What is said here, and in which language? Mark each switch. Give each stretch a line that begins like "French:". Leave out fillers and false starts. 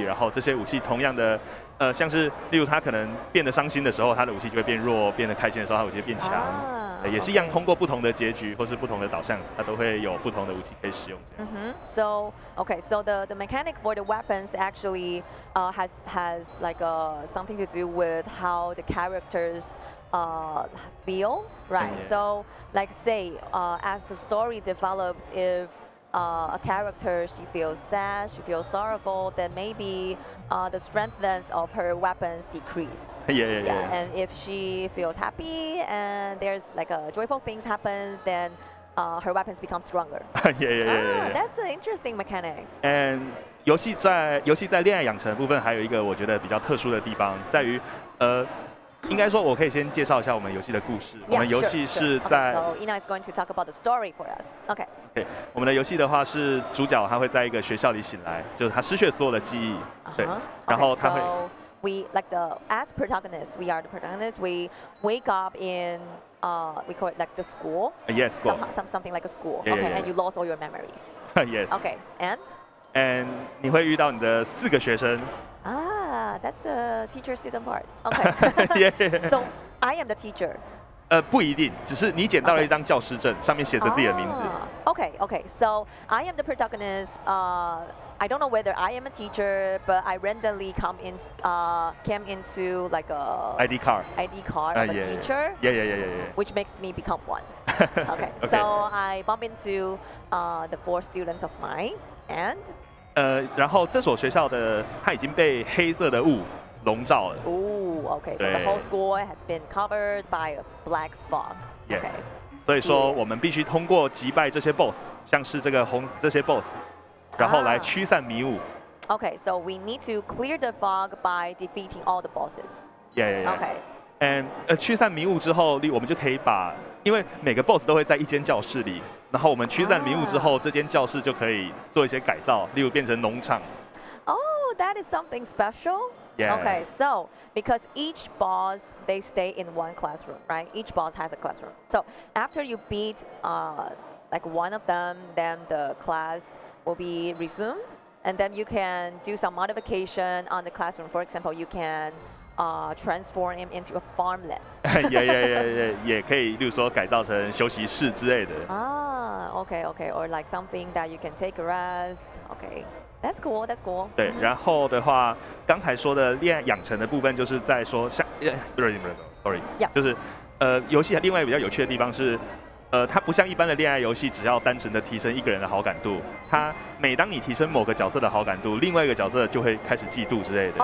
Chinese: 然后这些武器同样的，像是例如他可能变得伤心的时候，他的武器就会变弱；变得开心的时候，他武器就变强。也是一样，通过不同的结局或是不同的导向，它都会有不同的武器可以使用。
English: So the mechanic for the weapons actually has like something to do with how the characters feel, right? Mm-hmm. So like say as the story develops, if a character she feels sad, she feels sorrowful, then maybe the strengthness of her weapons decrease. Yeah. And if she feels happy and there's like a joyful things happens, then her weapons become stronger. Yeah. That's an interesting mechanic. And
Chinese: 游戏在恋爱养成的部分还有一个我觉得比较特殊的地方在于应该说我可以先介绍一下我们游戏的故事。
English: Yeah,
Chinese: 我们游戏是在
English: sure, sure. Okay, so Ina is going to talk about the story for us. OK. OK.
Chinese: 我们的游戏的话是主角他会在一个学校里醒来，就是他失去所有的记忆。对。 Uh-huh. 然后他会。
English: Okay, so we like the as protagonist, we are the protagonist. We wake up in we call it like the school. Yes, school. Something like a school. Yeah, yeah, yeah. OK. And you lost all your memories. Yes. OK. And? And
Chinese: 你会遇到你的四个学生。
English: Ah, that's the teacher-student part. Okay. yeah. So, I am the teacher.
Chinese: 不一定，只是你捡到了一张教师证，上面写着自己的名字。
English: Okay, okay. So, I am the protagonist. I don't know whether I am a teacher, but I randomly came into like a... ID card. ID card of a teacher. Yeah, yeah, yeah, yeah, yeah. Which makes me become one. Okay. So, I bump into the four students of mine, and...
Chinese: 然后这所学校的它已经被黑色的雾笼罩了。
English: Ooh, okay. So the whole school has been covered by a black fog. Yeah. Okay.
Chinese: 所以说我们必须通过击败这些 boss， 像是这个红这些 boss， 然后来驱散迷雾。
English: Okay. So we need to clear the fog by defeating all the bosses. Yeah. Yeah. Okay. And
Chinese: 驱散迷雾之后，我们就可以把，因为每个 boss 都会在一间教室里。然后我们驱散迷雾之后，这间教室就可以做一些改造，例如变成农场。
English: Oh, that is something special. Yeah. Okay, so because each boss they stay in one classroom, right? Each boss has a classroom. So after you beat like one of them, then the class will be resumed, and then you can do some modification on the classroom. For example, you can transform him into a farmland. Yeah, yeah, yeah, yeah.
Chinese: 也可以，例如说改造成休息室之类的。
English: Okay, okay, or like something that you can take a rest. Okay, that's cool. That's cool.
Chinese: 对，然后的话，刚才说的练养成的部分，就是在说像，
English: sorry, yeah.
Chinese: 就是游戏另外一个比较有趣的地方是，它不像一般的恋爱游戏，只要单纯的提升一个人的好感度。它每当你提升某个角色的好感度，另外一个角色就会开始嫉妒之类的。